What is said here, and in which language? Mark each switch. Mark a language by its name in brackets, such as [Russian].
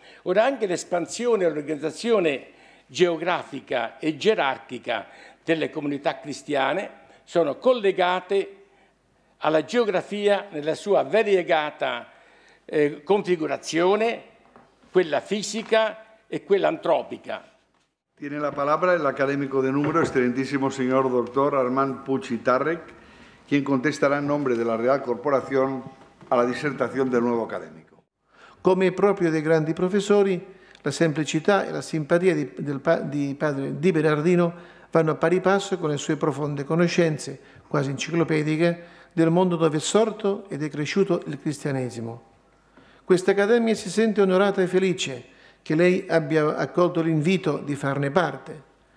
[Italian] Ora, anche l'espansione e l'organizzazione geografica e gerarchica delle comunità cristiane sono collegate alla geografia nella sua variegata configurazione, quella fisica, e quella antropica. [Spanish] Tiene la palabra el académico de número, excelentísimo señor doctor Armand Puig i Tàrrech, quien contestará en nombre de la Real Corporación a la disertación del nuevo académico. [Italian] Come proprio dei grandi professori, la semplicità e la simpatia di padre Di Bernardino vanno a pari passo con le sue profonde conoscenze, quasi enciclopediche, del mondo dove è sorto ed è cresciuto il cristianesimo. Questa Accademia si sente onorata e felice che lei abbia accolto l'invito di farne parte.